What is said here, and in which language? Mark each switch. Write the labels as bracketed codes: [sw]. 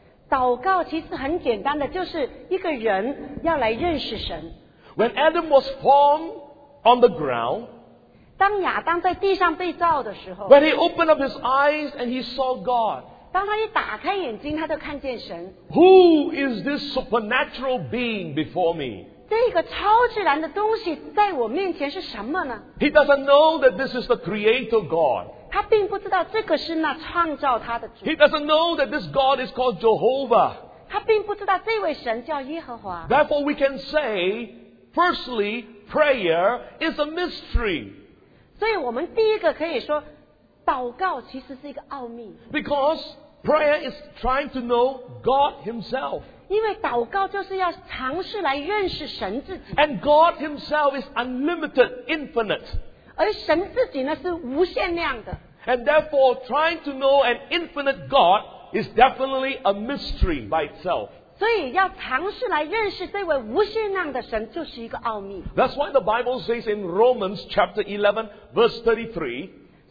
[zh] 祷告其实很简单的就是一个人要来认识神。 [en] When Adam was formed on the ground, [zh] 当亚当在地上被造的时候, [en] when he opened up his eyes and he saw God, [zh] 当他一打开眼睛, 他就看见神, [en] who is this supernatural being before me? [zh] 这个超自然的东西在我面前是什么呢? [en] He doesn't know that this is the Creator God. [zh] 他并不知道这个是那创造他的主。 [en] He doesn't know that this God is called Jehovah. [zh] 他并不知道这位神叫耶和华。 [en] Therefore, we can say, firstly, prayer is a mystery. [zh] 所以我们第一个可以说, 祷告其实是一个奥秘。 [en] Because prayer is trying to know God himself. [zh] 因为祷告就是要尝试来认识神自己。 [en] And God himself is unlimited, infinite. [zh] 而神自己呢, 是无限量的。 [en] And therefore, trying to know an infinite God is definitely a mystery by itself. [zh] 所以要尝试来认识这位无限量的神就是一个奥秘。 [en] That's why the Bible says in Romans chapter 11 verse 33.